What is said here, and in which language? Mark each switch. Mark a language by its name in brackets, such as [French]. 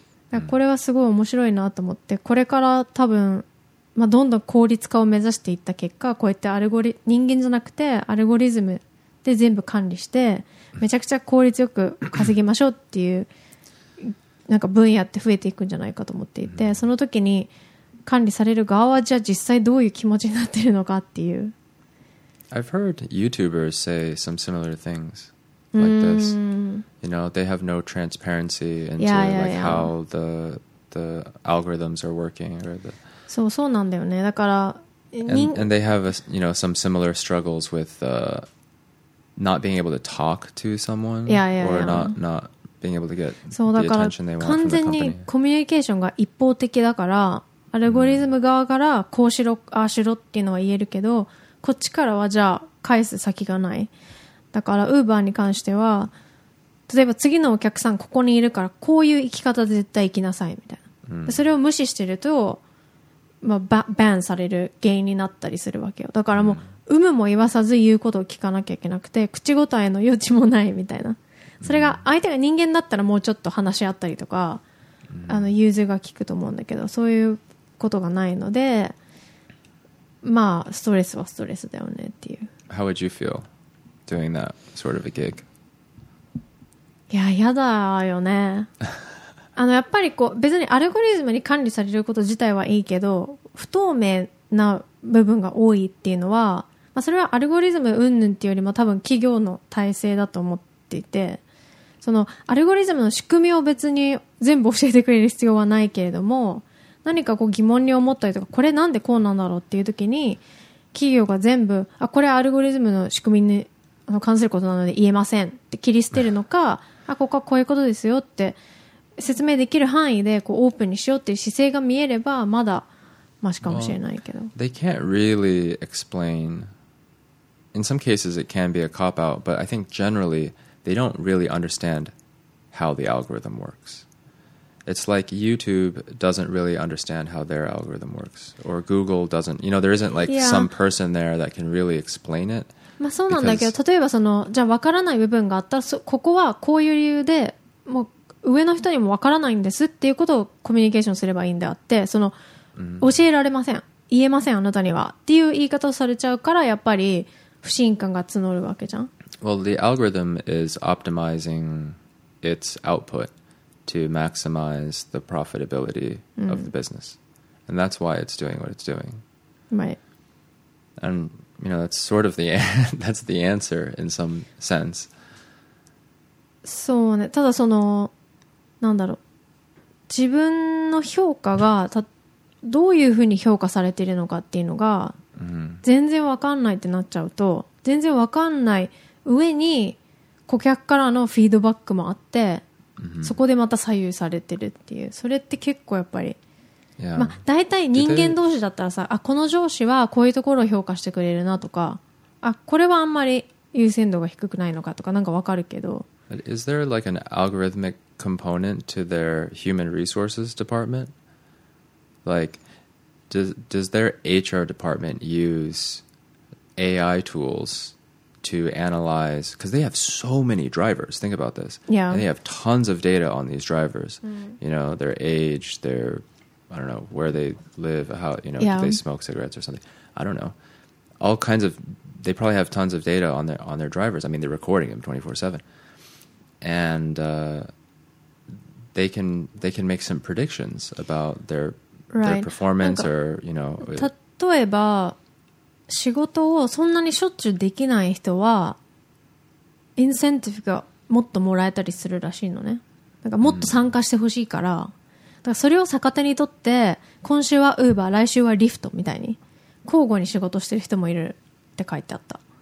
[Japanese] だこれはすごい面白いなと思って、これから多分、まあ、どんどん効率化を目指していった結果、こうやってアルゴリズムで全部管理してめちゃくちゃ効率よく稼ぎましょうっていうなんか分野って増えていくんじゃないかと思っていて、その時に管理される側はじゃあ実際どういう気持ちになってるのかっていう。 [English] I've heard YouTubers say some similar things like this. You know, they have no transparency into how the algorithms are working or the [Japanese] そうなんだよね。だから [English] and they have a, you know, some similar struggles with not being able to talk to someone or not being able to get the attention they want from the company. [Japanese] 完全にコミュニケーションが一方的だから、アルゴリズム側からこうしろ、ああしろっていうのは言えるけど、こっちからはじゃあ返す先がない。だから Uber に関しては、例えば次のお客さんここにいるからこういう行き方で絶対行きなさいみたいな。うん、それを無視してると、まあ、バンされる原因になったりするわけよ。だからもう有無も言わさず言うことを聞かなきゃいけなくて、口答えの余地もないみたいな。それが相手が人間だったらもうちょっと話し合ったりとか、あの融通が効くと思うんだけど、そういうことがないので、まあストレスはストレスだよねっていう。 [English] How would you feel doing that sort of a gig? [Japanese] いや、やだよね。あのやっぱりこう別にアルゴリズムに管理されること自体はいいけど、不透明な部分が多いっていうのは、まあ、それはアルゴリズム云々っていうよりも多分企業の体制だと思っていて、そのアルゴリズムの仕組みを別に全部教えてくれる必要はないけれども、何かこう疑問に思ったりとか、これなんでこうなんだろうっていう時に企業が全部、あこれアルゴリズムの仕組みに関することなので言えませんって切り捨てるのか、あここはこういうことですよって説明できる範囲でこうオープンにしようっていう姿勢が見えればまだマシかもしれないけど。 [English] Well, they can't really explain. In some cases it can be a cop out, but I think generally they don't really understand how the algorithm works. It's like YouTube doesn't really understand how their algorithm works, or Google doesn't. You know, there isn't like some person there that can really explain it. [Japanese] まあそうなんだけど、例えばそのじゃあ分からない部分があったら、ここはこういう理由でもう上の人にも分からないんですっていうことをコミュニケーションすればいいんであって、その教えられません、言えませんあなたにはっていう言い方をされちゃうから、やっぱり不信感が募るわけじゃん。 [English] Well, the algorithm is optimizing its output to maximize the profitability of the business. And that's why it's doing what it's doing. Right. And, you know, that's sort of the, that's the answer in some sense. [Japanese] そうね、ただそのなんだろう、自分の評価がどういうふうに評価されているのかっていうのが全然わかんないってなっちゃうと、全然わかんない上に顧客からのフィードバックもあって、そこでまた左右されてるっていう、それって結構やっぱり、まあ、大体人間同士だったらさ、あ、この上司はこういうところを評価してくれるなとか、あ、これはあんまり優先度が低くないのかとかなんかわかるけど、 [English] Is there like an algorithmic component to their human resources department? Like, does their HR department use AI tools to analyze? Because they have so many drivers. Think about this. Yeah. And they have tons of data on these drivers. You know, their age, their, I don't know, where they live, how, you know, do they smoke cigarettes or something? I don't know. All kinds of, they probably have tons of data on their drivers. I mean, they're recording them 24/7. And they can make some predictions about their, their performance or, you know. [Japanese] 例えば仕事をそんなにしょっちゅうできない人はインセンティブがもっともらえたりするらしいのね。なんかもっと参加してほしいから、だからそれを逆手にとって今週はウーバー、来週はリフトみたいに交互に仕事してる人もいるって書いてあった。